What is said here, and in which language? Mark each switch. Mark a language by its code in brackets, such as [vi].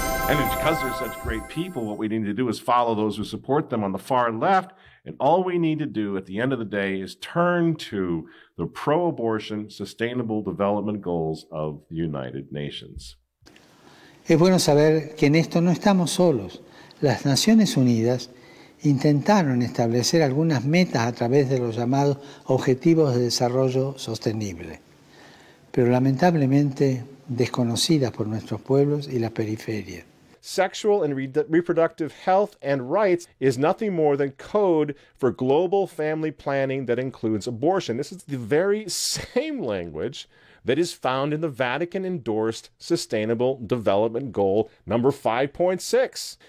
[en] And it's because they're such great people, what we need to do is follow those who support them on the far left. And all we need to do at the end of the day is turn to the pro-abortion sustainable development goals of the United Nations. [es] Es bueno saber que en esto no estamos solos. las Naciones Unidas intentaron establecer algunas metas a través de los llamados Objetivos de Desarrollo Sostenible, pero lamentablemente desconocidas por nuestros pueblos y la periferia. [en] Sexual and reproductive health and rights is nothing more than code for global family planning that includes abortion. This is the very same language that is found in the Vatican-endorsed Sustainable Development Goal number 5.6.